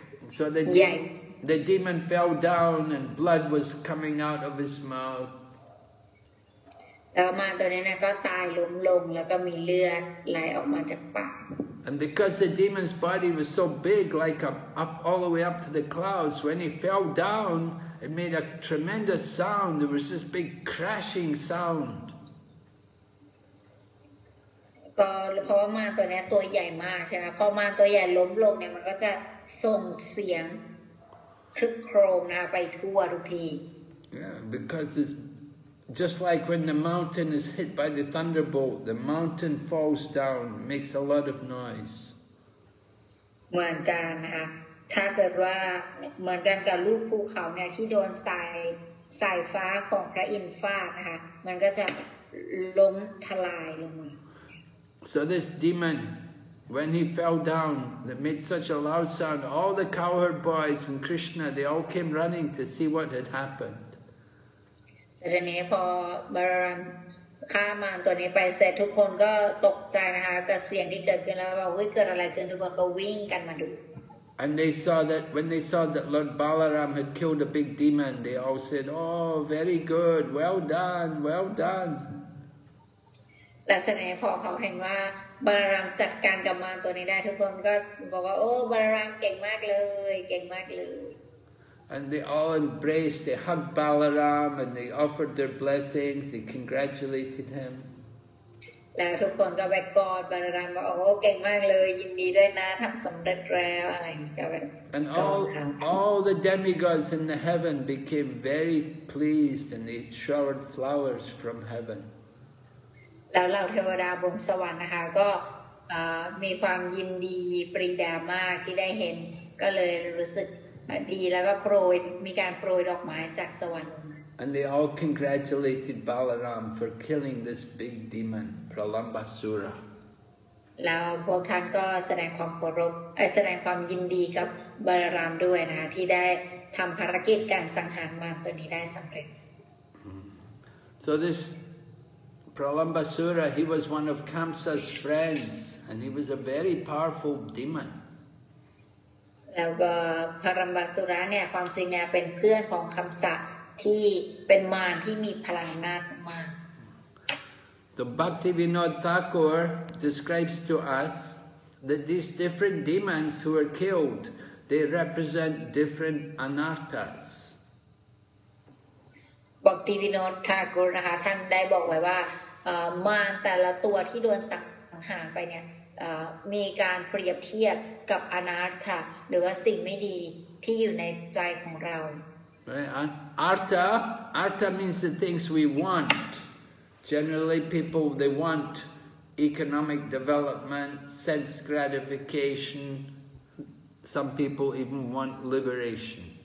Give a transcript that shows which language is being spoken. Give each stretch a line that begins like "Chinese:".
English: So the demon fell down and blood was coming out of his mouth.
Thai: แล้วมาตัวนี้เนี่ยก็ตายล้มลงแล้วก็มีเลือดไหลออกมาจากปาก
English: And because the demon's body was so big, like up all the way up to the clouds, when he fell down, it made a tremendous sound. There was this big crashing sound.
Thai: ก็เพราะมาตัวนี้ตัวใหญ่มากใช่ไหมพอมาตัวใหญ่ล้มลงเนี่ยมันก็จะส่งเสียงครึกโครมนะไปทั่วทุกที
English: Yeah, because it'sJust like when the mountain is hit by the thunderbolt, the mountain falls down, makes a lot of noise.
Thai: เหมือนกันนะคะถ้าเกิดว่าเหมือนกันกับลูกภูเขาเนี่ยที่โดนสายฟ้าของพระอินทร์ฟาดนะคะมันก็จะล้มทลายลงมา
English: So this demon, when he fell down, that made such a loud sound, all the cowherd boys and Krishna, they all came running to see what had happened.
Thai: แต่ทีนี้พอบาลารามฆ่ามารตัวนี้ไปเสร็จทุกคนก็ตกใจนะคะกับเสียงที่เกิดขึ้นแล้วว่าเฮ้ยเกิดอะไรขึ้นทุกคนก็วิ่งกันมาดู
English: And they saw that when they saw that Lord Balaram had killed a big demon they all said oh very good well done well done
Thai: แต่ทีนี้พอเขาเห็นว่าบาลารามจัดการกับมารตัวนี้ได้ทุกคนก็บอกว่าโอ้บาลารามเก่งมากเลยเก่งมากเลย
English: And they all embraced, they hugged Balaram and they offered their blessings, they congratulated him. And all the demigods in the heaven became very pleased and they showered flowers from heaven.
Thai: แล้วเราเทวดาบนสวรรค์นะคะก็มีความยินดีปรีดามากที่ได้เห็นก็เลยรู้สึกดีแล้วก็โปรยมีการโปรยดอกไม้จากสวรรค์ลงมา
English: And they all congratulated Balaram for killing this big demon Pralambasura
Thai: แล้วพวกท่านก็แสดงความเคารพแสดงความยินดีกับบาลารามด้วยนะที่ได้ทำภารกิจการสังหารมารตัวนี้ได้สำเร็จ
English: So this Pralambasura, he was one of Kamsa's friends, and he was a very powerful demon.
Thai: แล้วก็ Pralambasura เนี่ยความจริงเนี่ยเป็นเพื่อนของคำสัตว์ที่เป็นมารที่มีพลังมากมาก
English: The Bhaktivinod Thakur describes to us that these different demons who were killed, they represent different anarthas.
Thai: บอกทีวีนอตทากุลนะคะท่านได้บอกไว้ว่ามารแต่ละตัวที่โดนสังหารไปเนี่ยมีการเปรียบเทียบกับอนาถะหรือว่าสิ่งไม่ดีที่อยู่ในใจของเรา
English: right artha means the things we want generally people they want economic development sense gratification some people even want liberation